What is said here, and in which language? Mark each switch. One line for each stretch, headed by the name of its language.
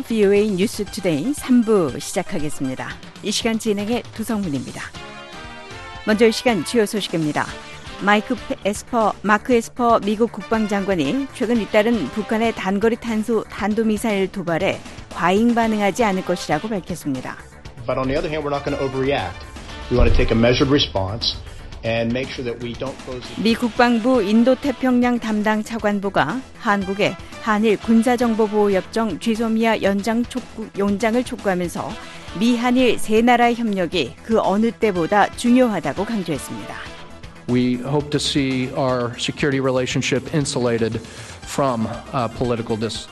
Korean: VOA 뉴스 투데이 3부 시작하겠습니다. 이 시간 진행의 두성훈입니다. 먼저 이 시간 주요 소식입니다. 마크 에스퍼 미국 국방장관이 최근 잇따른 북한의 단거리 탄수 탄도미사일 도발에 과잉 반응하지 않을 것이라고 밝혔습니다.
English: But on the other hand, we're not going to overreact. We want to take a measured response and make sure that we don't close.
Korean: 미 국방부 인도태평양 담당 차관보가 한국에 한일 군사정보보호협정 쥐소미아 연장을 촉구하면서 미 한일 세 나라의 협력이 그 어느 때보다 중요하다고 강조했습니다.
English: We hope to see our security relationship insulated from political dis.